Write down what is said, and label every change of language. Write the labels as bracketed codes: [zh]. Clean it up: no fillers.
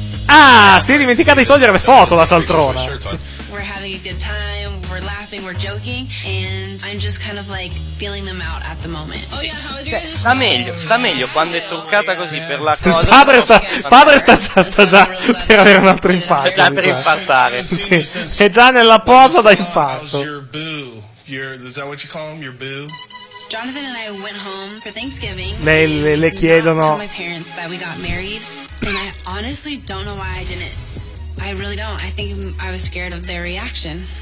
[it] Ah, si è dimenticato di togliere le foto la cialtrona. [en] We're having a good time, we're laughing, we're joking, and I'm just kind of like feeling them out at the moment. Oh yeah, how was your guys? [it] Sta meglio quando è truccata così per la cosa. Padre sta già per avere un altro infarto. Già per infartare. Sì. È già nella posa da infarto. [en] Is that what you call him, your boo? Jonathan and I went home for Thanksgiving. [it] Le chiedono. [en] My parents that we got married, and I honestly don't know why I didn't. I really don't. I think I was scared of their reaction.